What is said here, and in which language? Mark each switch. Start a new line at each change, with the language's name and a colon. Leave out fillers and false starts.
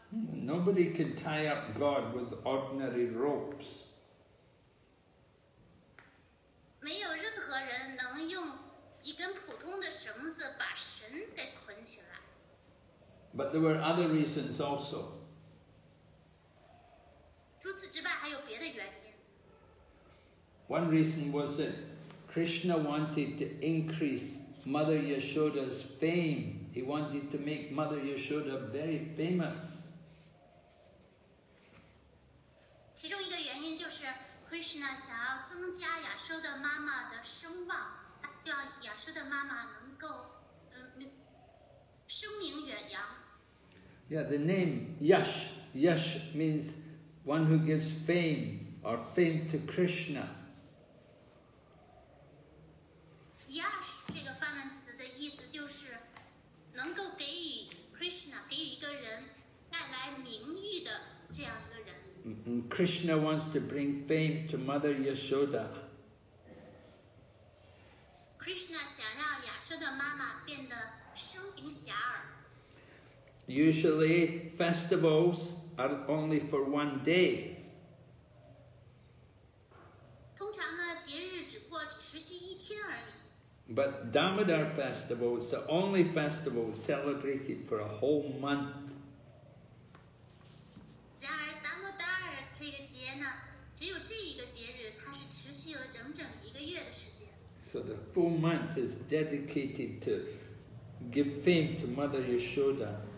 English: Nobody can tie up God with ordinary ropes.
Chinese: 没有任何人能用一根普通的绳子把神给捆起来。
English: But there were other reasons also.
Chinese: 除此之外还有别的原因。
English: One reason was that Krishna wanted to increase Mother Yashoda's fame. He wanted to make Mother Yashoda very famous.
Chinese: 其中一个原因就是 Krishna 想要增加亚修的妈妈的声望，他希望亚修的妈妈能够声名远扬。
English: Yeah, the name Yash, Yash means one who gives fame or fame to Krishna.
Chinese: Yash 这个梵文词的意思就是能够给予 Krishna 给予一个人带来名誉的这样一个人。
English: And Krishna wants to bring fame to Mother Yashoda.
Chinese: Krishna 想让亚修的妈妈变得声名遐迩。
English: Usually festivals are only for one day.
Chinese: 通常呢，节日只不过持续一天而已。
English: But Damodara festival is the only festival celebrated for a whole month.
Chinese: 然而达摩达尔这个节呢，只有这一个节日，它是持续了整整一个月的时间。
English: So the full month is dedicated to give fame to Mother Yashoda.